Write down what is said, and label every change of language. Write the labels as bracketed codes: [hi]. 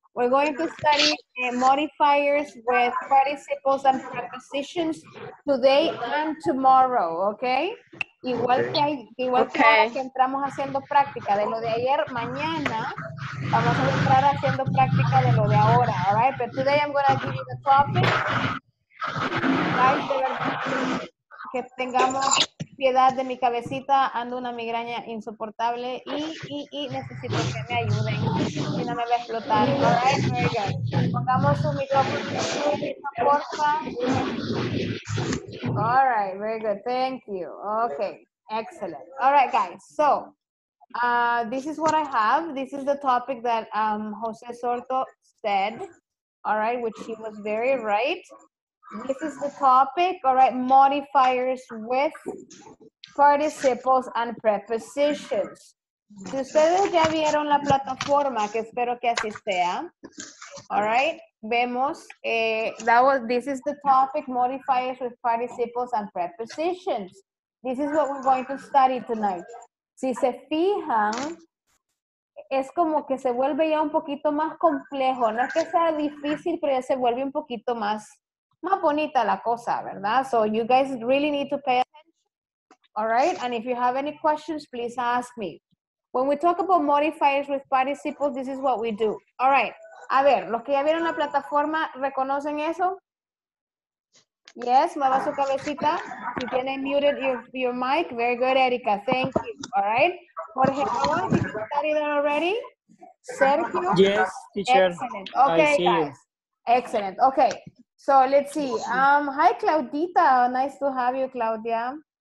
[en] We're going to study modifiers with participles and prepositions today and tomorrow, okay? [es] Igual que entramos haciendo práctica de lo de ayer, mañana vamos a entrar haciendo práctica de lo de ahora, all right? [en] But today I'm going to give you the topic. [es] Que tengamos piedad de mi cabecita, ando una migraña insoportable y necesito que me ayuden y no me va a explotar. [en] All right, very good. [es] Pongamos un micrófono, porfa. [en] All right, very good. Thank you. Okay, excellent. All right, guys. So, this is what I have. This is the topic that Jose Sorto said, all right, which he was very right. This is the topic, all right, modifiers with participles and prepositions. [es] Si ustedes ya vieron la plataforma, que espero que así sea, all right, vemos, [en] this is the topic, modifiers with participles and prepositions. This is what we're going to study tonight. [es] Si se fijan, es como que se vuelve ya un poquito más complejo. No es que sea difícil, pero ya se vuelve un poquito más más bonita la cosa, ¿verdad? [en] So you guys really need to pay attention, all right? And if you have any questions, please ask me. When we talk about modifiers with participles, this is what we do. [es] All right, a ver, los que ya vieron la plataforma, ¿reconocen eso? Yes, mueva su cabecita. Si tienen [en] muted your mic, very good, Erika, thank you, all right? Jorge, ¿no? ¿Have you studied that already? Sergio? Yes, teacher. Excellent, okay, I see guys. You. Excellent, okay. So let's see. Hi, Claudita. Nice to have you, Claudia.